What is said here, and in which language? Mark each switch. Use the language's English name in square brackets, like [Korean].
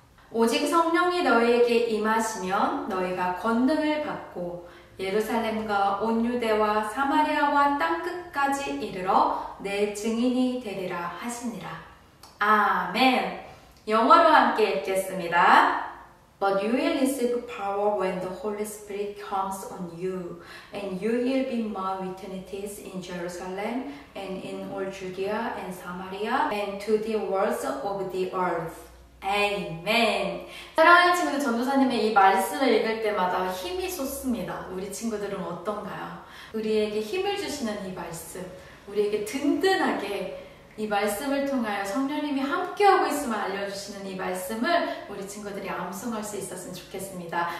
[Korean] 오직 성령이 너희에게 임하시면 너희가 권능을 받고 예루살렘과 온 유대와 사마리아와 땅끝까지 이르러 내 증인이 되리라 하시니라. 아멘. 영어로 함께 읽겠습니다. [English] But you will receive power when the Holy Spirit comes on you, and you will be my witnesses in Jerusalem, and in all Judea and Samaria, and to the ends of the earth. Amen. [Korean] 사랑하는 친구들, 전도사님의 이 말씀을 읽을 때마다 힘이 솟습니다. 우리 친구들은 어떤가요? 우리에게 힘을 주시는 이 말씀, 우리에게 든든하게 이 말씀을 통하여 성령님이 함께하고 있음을 알려주시는 이 말씀을 우리 친구들이 암송할 수 있었으면 좋겠습니다.